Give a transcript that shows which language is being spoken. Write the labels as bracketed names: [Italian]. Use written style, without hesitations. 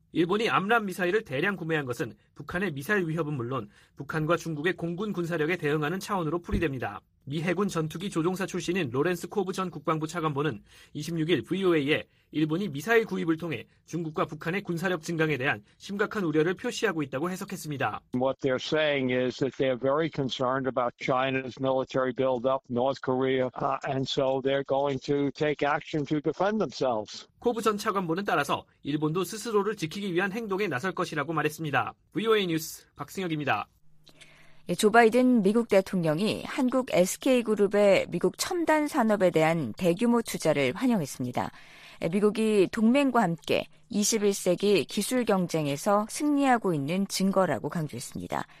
[Korean] 일본이 암람 미사일을 대량 구매한 것은 북한의 미사일 위협은 물론 북한과 중국의 공군 군사력에 대응하는 차원으로 풀이됩니다. 미 해군 전투기 조종사 출신인 로렌스 코브 전 국방부 차관보는 26일 VOA에 일본이 미사일 구입을 통해 중국과 북한의 군사력 증강에 대한 심각한 우려를 표시하고 있다고 해석했습니다. [English] What they're saying is that they're very concerned about China's military buildup, North Korea, and so they're going to take action to defend themselves. [Korean] 코브 전 차관보는 따라서 일본도 스스로를 지키기 위한 행동에 나설 것이라고 말했습니다. VOA 뉴스 박승혁입니다. 조 바이든 미국 대통령이 한국 SK그룹의 미국 첨단 산업에 대한 대규모 투자를 환영했습니다. 미국이 동맹과 함께 21세기 기술 경쟁에서 승리하고 있는 증거라고 강조했습니다.